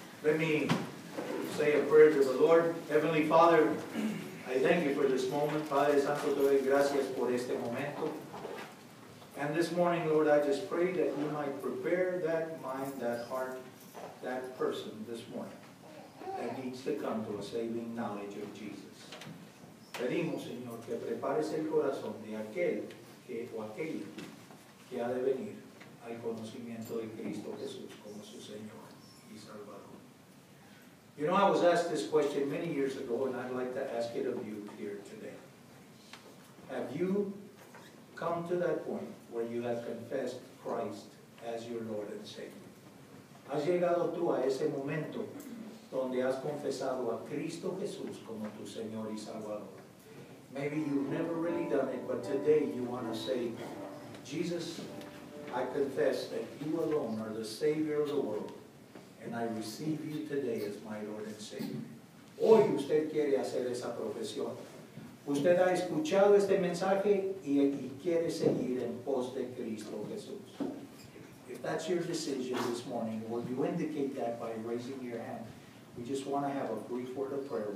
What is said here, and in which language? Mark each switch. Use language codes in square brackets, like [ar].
[en] Let me say a prayer to the Lord. Heavenly Father, I thank you for this moment. [es] Padre Santo, te doy gracias por este momento. [en] And this morning, Lord, I just pray that you might prepare that mind, that heart, that person this morning that needs to come to a saving knowledge of Jesus. [es] Pedimos, Señor, que prepares el corazón de aquel que, o aquella que ha de venir al conocimiento de Cristo Jesús como su Señor y Salvador. [en] You know, I was asked this question many years ago, and I'd like to ask it of you here today. Have you come to that point where you have confessed Christ as your Lord and Savior? [es] ¿Has llegado tú a ese momento donde has confesado a Cristo Jesús como tu Señor y Salvador? [en] Maybe you've never really done it, but today you want to say, Jesus, I confess that you alone are the Savior of the world. And I receive you today as my Lord and Savior. [es] Hoy usted quiere hacer esa profesión. Usted ha escuchado este mensaje y quiere seguir en pos de Cristo Jesús. [en] If that's your decision this morning, will you indicate that by raising your hand? We just want to have a brief word of prayer.